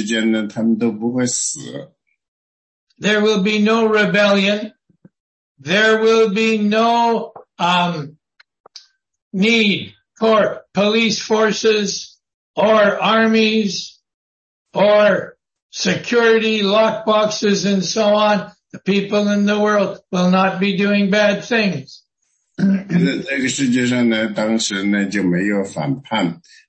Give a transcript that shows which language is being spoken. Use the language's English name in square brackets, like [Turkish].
[Chinese] 其中很多人呢，在1000年之间呢，他们都不会死。 [English] There will be no rebellion. There will be no need for police forces or armies or security lockboxes and so on. The people in the world will not be doing bad things. [Chinese] 那这个世界上呢，当时呢就没有反叛。